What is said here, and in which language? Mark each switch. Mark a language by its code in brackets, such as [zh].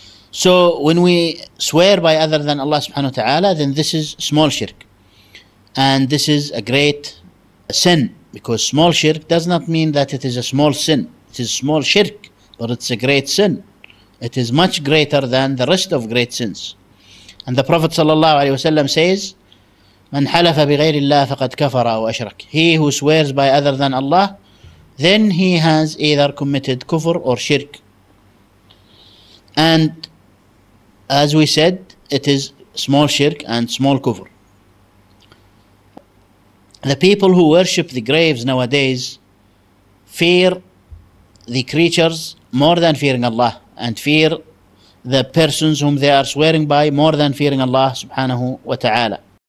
[en] So when we swear by other than Allah subhanahu wa ta'ala, then this is small shirk. And this is a great sin, because small shirk does not mean that it is a small sin. It is small shirk, but it's a great sin. It is much greater than the rest of great sins. And the Prophet sallallahu alaihi wasallam says, [ar] من حلف بغير الله فقد كفر أو أشرك. [en] He who swears by other than Allah, then he has either committed kufr or shirk. And as we said, it is small shirk and small kufr. The people who worship the graves nowadays fear the creatures more than fearing Allah, and fear the persons whom they are swearing by more than fearing Allah subhanahu wa ta'ala.